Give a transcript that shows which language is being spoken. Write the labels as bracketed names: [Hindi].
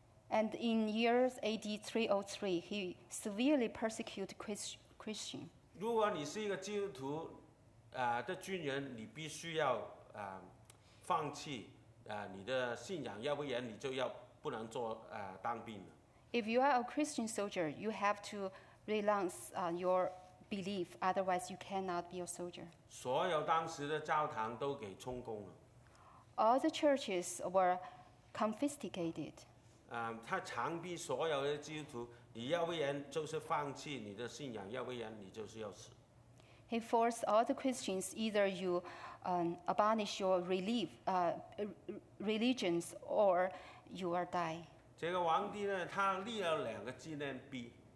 [English] And in years A.D. 303, he severely persecuted Christian. [Chinese] 如果你是一个基督徒的军人，你必须要放弃你的信仰，要不然你就要不能做当兵了。 [English] If you are a Christian soldier, you have to renounce your belief, otherwise you cannot be a soldier. [Chinese] 所有当时的教堂都给充公了。 [English] All the churches were confiscated. [Chinese] 他枪毙所有的基督徒，你要不然就是放弃你的信仰，要不然你就是要死。 [English] He forced all the Christians, either you abolish your religions or you will die. [Chinese] 这个王帝呢，他立了两个纪念碑。